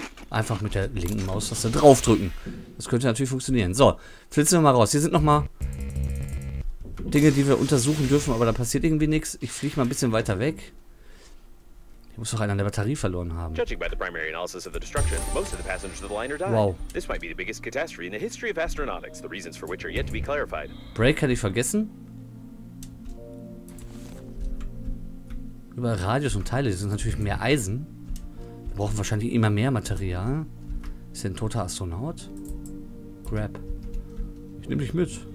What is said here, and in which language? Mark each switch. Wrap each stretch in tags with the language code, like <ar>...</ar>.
<de>Einfach mit der linken Maustaste draufdrücken. Das könnte natürlich funktionieren. So, flitzen wir mal raus. Hier sind nochmal Dinge, die wir untersuchen dürfen, aber da passiert irgendwie nichts. Ich fliege mal ein bisschen weiter weg. Hier muss doch einer an der Batterie verloren haben.</de> <en>Judging by the primary analysis of the destruction, most of the passengers of the liner died. Wow. This might be the biggest catastrophe in the history of astronautics, the reasons for which are yet to be clarified.</en> <de>Break hatte ich vergessen. Über Radios und Teile, die sind natürlich mehr Eisen. Wir brauchen wahrscheinlich immer mehr Material. Ist der ein toter Astronaut? Grab. Ich nehme dich mit.</de>